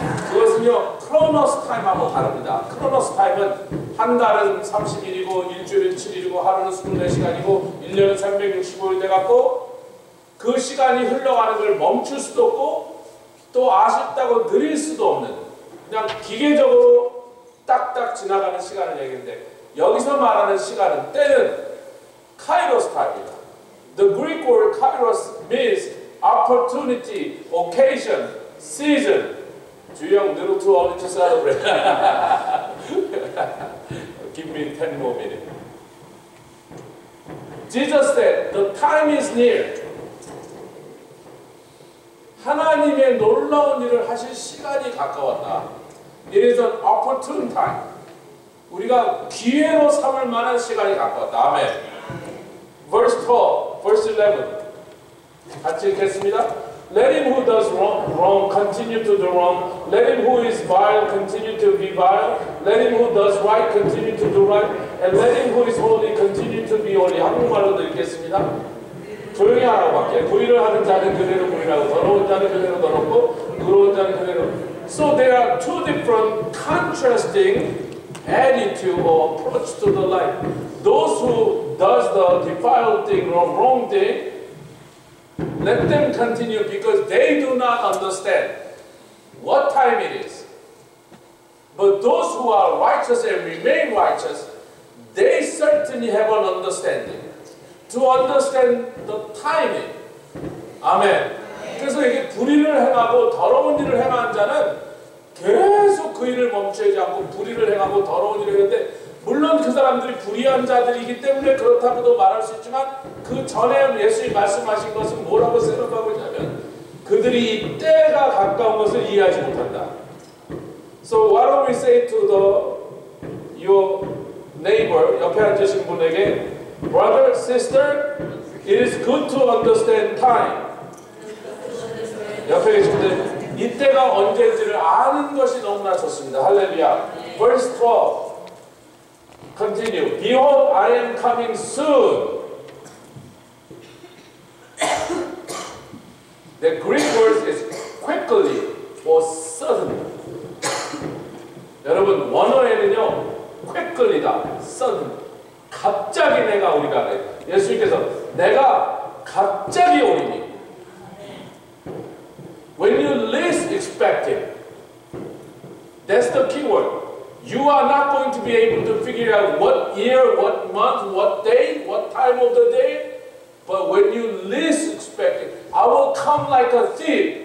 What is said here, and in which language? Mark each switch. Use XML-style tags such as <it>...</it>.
<ko>그것은요 크로노스 타임하고 다릅니다. 크로노스 타임은 한 달은 30일이고 일주일은 7일이고 하루는 24시간이고 1년은 365일 돼갖고 그 시간이 흘러가는 걸 멈출 수도 없고 또 아쉽다고 느릴 수도 없는 그냥 기계적으로 딱딱 지나가는 시간을 얘기하는데 여기서 말하는 시간은 때는 카이로스 타임입니다.</ko> <en>The Greek word kairos means opportunity, occasion, season. 주영, little too early to celebrate. Give me 10 more minutes. Jesus said, the time is near.</en> <ko>하나님의 놀라운 일을 하실 시간이 가까웠다.</ko> <en>It is an opportune time.</en> <ko>우리가 기회로 삼을 만한 시간이 가까웠다. 아멘.</ko> <en>Verse 12, verse 11.</en> <ko>같이 읽겠습니다.</ko> <en>Let him who does wrong continue to do wrong. Let him who is vile continue to be vile. Let him who does right continue to do right. And let him who is holy continue to be holy.</en> <ko>한국말로도 읽겠습니다. 조용히 하라고 할게요. 불의를 하는 자는 그대로 불의라고, 더러운 자는 그대로 더럽고, 의로운 자는 그대로.</ko> <en>So there are two different contrasting attitude or approach to the life. Those who does the defiled thing or wrong thing, let them continue because they do not understand what time it is. But those who are righteous and remain righteous, they certainly have an understanding to understand the timing. Amen.</en> <ko>그래서 이게 불의를 행하고 더러운 일을 행한 자는 계속 그 일을 멈추지 않고 불의를 행하고 더러운 일을 했는데 물론 그 사람들이 불의한 자들이기 때문에 그렇다고도 말할 수 있지만 그 전에 예수님 말씀하신 것은 뭐라고 생각하고 있냐면 그들이 이 때가 가까운 것을 이해하지 못한다.</ko> <en>So what do we say to the your neighbor,</en> <ko>옆에 앉으신 분에게</ko> <en>Brother, sister, it is good to understand time.</en> <ko>옆에 계신 분들 이때가 언제인지를 아는 것이 너무나 좋습니다. 할렐루야.</ko> <en>Verse 12. Continue. Behold, I am coming soon. The Greek word is quickly or suddenly.</en> <ko>여러분, 원어에는요, quickly다, suddenly. 갑자기 내가 우리가 해. 예수님께서 내가 갑자기 오리니.</ko> <en>When you least expect it, that's the key word. You are not going to be able to figure out what year, what month, what day, what time of the day. But when you least expect it, I will come like a thief.</en>